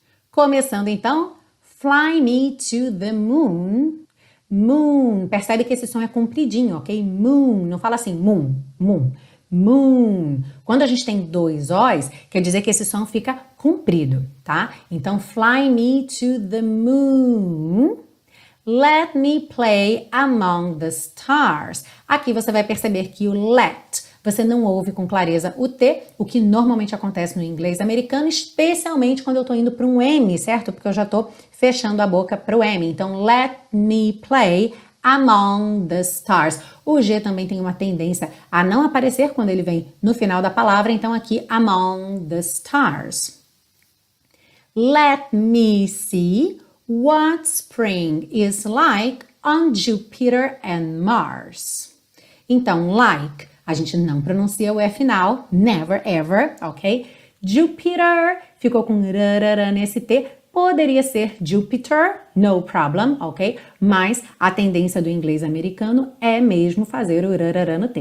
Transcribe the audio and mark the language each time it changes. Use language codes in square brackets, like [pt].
[pt] Começando então, [en] Fly me to the moon. Moon. [pt] Percebe que esse som é compridinho, ok? Moon. Não fala assim, moon, moon. Moon. Quando a gente tem dois Os, quer dizer que esse som fica comprido, tá? [en] Então, fly me to the moon. Let me play among the stars. [pt] Aqui você vai perceber que o let, você não ouve com clareza o T, o que normalmente acontece no inglês americano, especialmente quando eu estou indo para um M, certo? Porque eu já estou fechando a boca para o M. [en] Então, let me play among the stars. [pt] O G também tem uma tendência a não aparecer quando ele vem no final da palavra, então aqui, [en] among the stars. Let me see what spring is like on Jupiter and Mars. [pt] Então, like. A gente não pronuncia o E final, [en] never ever, [pt] ok? Jupiter ficou com rarara nesse T, poderia ser Jupiter, [en] no problem, [pt] ok? Mas a tendência do inglês americano é mesmo fazer o rarara no T.